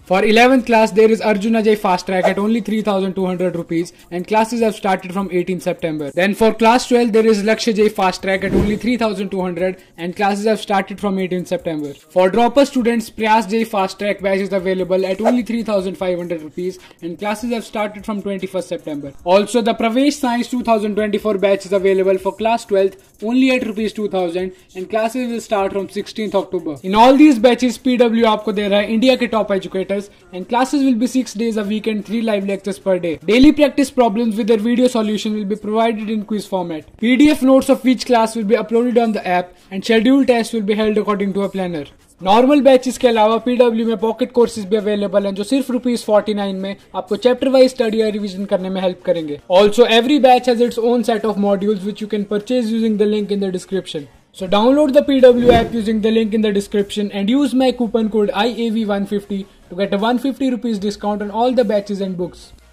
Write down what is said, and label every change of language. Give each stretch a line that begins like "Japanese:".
English: For 11th class there is Arjun Ajay fast track at only 3,200 rupees and classes have started from 18 September. Then for class 12 there is Lakshya JEE fast track at only 3,200 and classes have started from 18 September. For dropper students Prayas JEE fast track batch is available at only 3,500 rupees and classes have started from 21 September. Also the Pravesh science 2024 batch is available for class 12th only at ₹2,000 and classes will start from 16th October. In all these batches, PW
Hindi: आपको दे रहा है
English: India के top educators and classes will be 6 days a week and 3 live lectures per day. Daily practice problems with their video solution will be provided in quiz format. PDF notes of each class will be uploaded on the app and scheduled tests will be held according to a planner.
Hindi: Normal batches के अलावा PW में pocket courses भी available हैं, जो सिर्फ ₹49 में आपको chapter wise study या रिवीजन करने में हेल्प करेंगे।
English: Also every batch has its own set of modules which you can purchase using the link in the description. So download the PW app using the link in the description and use my coupon code IAV150 to get a ₹150 discount on all the batches and books.